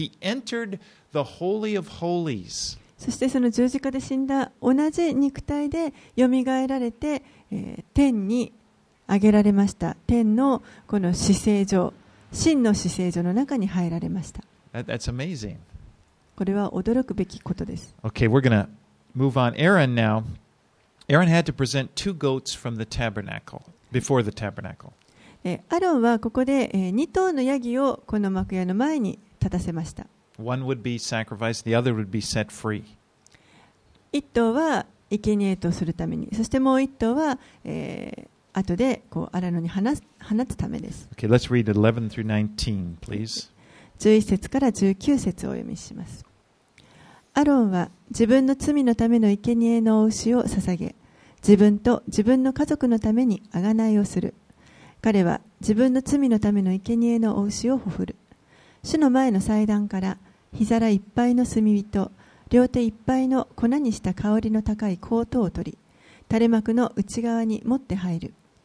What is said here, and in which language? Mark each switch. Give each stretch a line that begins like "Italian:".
Japanese: そしてその十字架で死んだ同じ肉体でよみがえられて、天に上げられました。天のこの至聖所、真の至聖所の中に入られました。
English: That's amazing.
Japanese: これは驚くべきことです。
English: Okay, we're gonna move on. Aaron now. Aaron had to present two goats from the tabernacle before the tabernacle.
Japanese: アロンはここで2頭のヤギをこの幕屋の前に立たせました。
English: One would be sacrificed, the other would be set free.
Japanese: 1頭は生贄とするために、そしてもう1頭は後でこうアラノに放つためです。
English: Okay, let's read 11 through 19, please.
Japanese: 11節から19節をお読みします。アロンは自分の罪のための生贄の牛を捧げ、自分と自分の家族のために贖いをする。彼は自分の罪のための生贄の牛をほふる。主の前の祭壇から膝らいっぱいの炭火と両手いっぱいの粉にした香りの高い香灯を取り、垂れ幕の内側に持って入る。